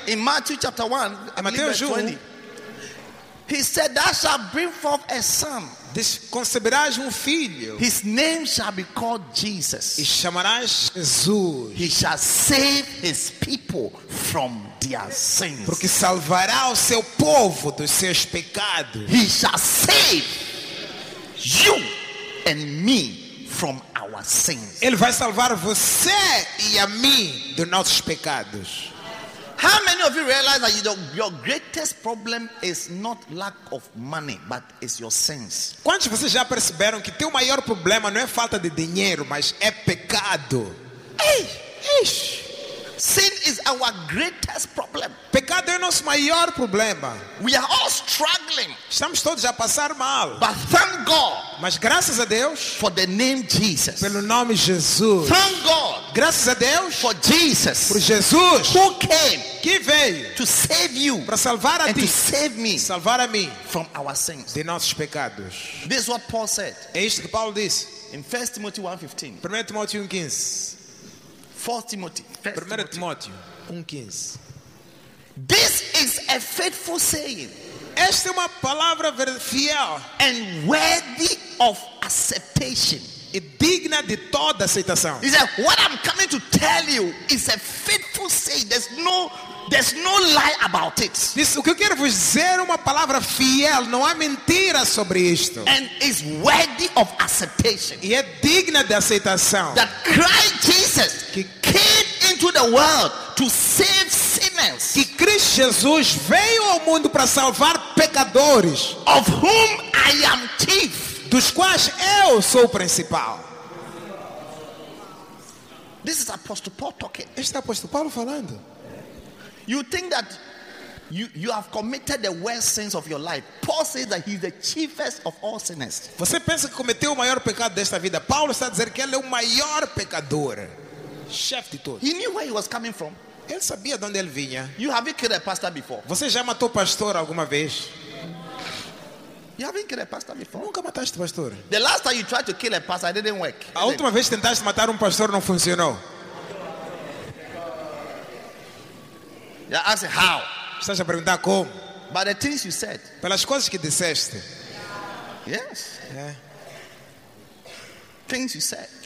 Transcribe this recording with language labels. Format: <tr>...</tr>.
<en>in Matthew chapter 1,</en> <pt>em Mateus 20,</pt> <en>he said, "Thou shalt bring forth a son."</en> <pt>Conceberás um filho.</pt> <en>His name shall be called Jesus.</en> <pt>E chamarás Jesus.</pt> <en>He shall save his people from their sins.</en> <pt>Porque salvará o seu povo dos seus pecados.</pt> <en>He shall save you and me from our sins.</en> <pt>Ele vai salvar você e a mim dos nossos pecados.</pt> <en>How many of you realize that your greatest problem is not lack of money, but it's your sins?</en> <pt>Quantos de vocês já perceberam que teu maior problema não é falta de dinheiro, mas é pecado?</pt> <en>Ei, ei. Sin is our greatest problem.</en> <pt>Pecado é nosso maior problema.</pt> <en>We are all struggling.</en> <pt>Estamos todos a passar mal.</pt> <en>But thank God.</en> <pt>Mas graças a Deus.</pt> <en>For the name Jesus.</en> <pt>Pelo nome Jesus.</pt> <en>Thank God.</en> <pt>Graças a Deus.</pt> <en>For Jesus.</en> <pt>Por Jesus.</pt> <en>Who came?</en> <pt>Que veio?</pt> <en>To save you.</en> <pt>Para salvar a</pt> <en>and</en> <pt>ti.</pt> <en>And to save me.</en> <pt>Salvar a mim.</pt> <en>From our sins.</en> <pt>De nossos pecados.</pt> <en>This is what Paul said.</en> <pt>É isto que Paulo disse.</pt> <en>In 1 Timothy 1:15.</en> <pt>1 Timóteo 1:15. 1 Timóteo 1:15.</pt> <en>This is a faithful saying.</en> <pt>Esta é uma palavra fiel.</pt> <en>And worthy of acceptation.</en> <pt>E digna de toda aceitação.</pt> <en>He said, what I'm coming to tell you is a faithful saying. There's no lie about it.</en> <pt>Isso, o que eu quero vos dizer é uma palavra fiel. Não há mentira sobre isto.</pt> <en>And is worthy of acceptation.</en> <pt>E é digna de aceitação.</pt> <en>That Christ Jesus que came into the world to save sinners.</en> <pt>Que Cristo Jesus veio ao mundo para salvar pecadores.</pt> <en>Of whom I am chief.</en> <pt>Dos quais eu sou o principal.</pt> <en>This is Apostle Paul talking.</en> <pt>Este é Apóstolo Paulo falando.</pt> <en>You think that you have committed the worst sins of your life. Paul says that he's the chiefest of all sinners.</en> <pt>Você pensa que cometeu o maior pecado desta vida. Paulo está dizendo que ele é o maior pecador. Chefe de todos.</pt> <en>He knew where he was coming from.</en> <pt>Ele sabia de onde ele vinha.</pt> <en>You haven't killed a pastor before.</en> <pt>Você já matou pastor alguma vez?</pt> <en>You haven't killed a pastor before.</en> <pt>Nunca mataste pastor.</pt> <en>The last time you tried to kill a pastor, it didn't work.</en> <pt>A última vez tentaste matar pastor não funcionou.</pt> <en>I asked how.</en> <pt>Estás a perguntar como?</pt> <en>By the things you said.</en> <pt>Pelas coisas que disseste.</pt> <en>Yes. Yeah. Things you said.</en>